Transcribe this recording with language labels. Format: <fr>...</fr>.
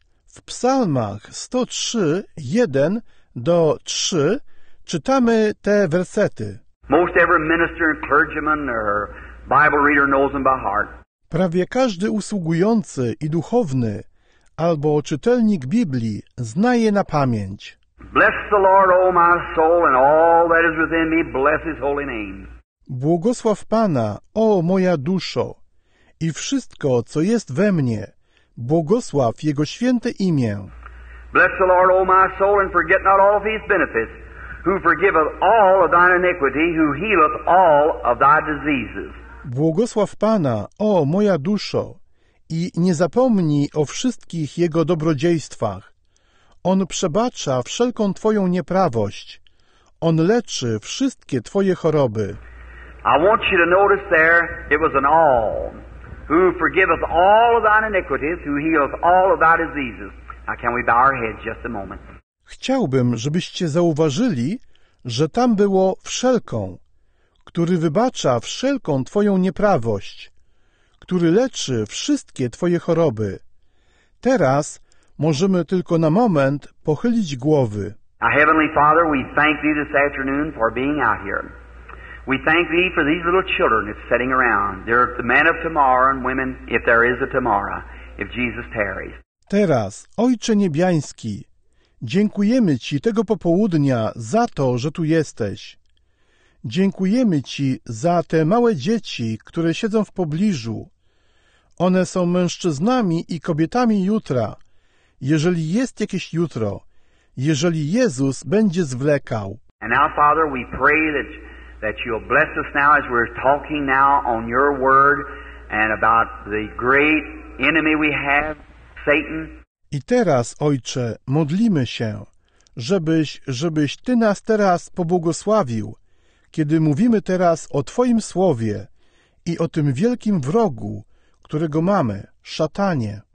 <pl>W psalmach 103:1-3 czytamy te wersety.</pl> <en>Most every minister and clergyman or Bible reader knows them by heart.</en> <pl>Prawie każdy usługujący i duchowny albo czytelnik Biblii zna je na pamięć.</pl> <en>Bless the Lord, O my soul, and all that is within me, bless his holy name.</en> <pl>Błogosław Pana, o moja duszo, i wszystko, co jest we mnie. Błogosław Jego święte imię.</pl> <en>Bless the Lord, O my soul, and forget not all of his benefits, who forgiveth all of thine iniquity, who healeth all of thy diseases.</en> <pl>Błogosław Pana, o moja duszo, i nie zapomnij o wszystkich Jego dobrodziejstwach. On przebacza wszelką Twoją nieprawość. On leczy wszystkie Twoje choroby.</pl> <en>I want you to notice there, it was an all. Who forgiveth all of thine iniquities, who healeth all of thy diseases. Now can we bow our heads just a moment?</en> <pl>Chciałbym, żebyście zauważyli, że tam było wszelką, który wybacza wszelką Twoją nieprawość, który leczy wszystkie Twoje choroby. Teraz możemy tylko na moment pochylić głowy.</pl> <en>Now, Heavenly Father, we thank Thee this afternoon for being out here. We thank Thee for these little children that's sitting around. They're the men of tomorrow and women, if there is a tomorrow, if Jesus tarries.</en> <pl>Teraz, Ojcze Niebiański, dziękujemy Ci tego popołudnia za to, że tu jesteś. Dziękujemy Ci za te małe dzieci, które siedzą w pobliżu. One są mężczyznami i kobietami jutra. Jeżeli jest jakieś jutro, jeżeli Jezus będzie zwlekał.</pl> <en>And now, Father, we pray that You'll bless us now as we're talking now on Your word and about the great enemy we have, Satan.</en> <pl>I teraz, Ojcze, modlimy się, żebyś Ty nas teraz pobłogosławił, kiedy mówimy teraz o Twoim Słowie i o tym wielkim wrogu, którego mamy, szatanie.</pl>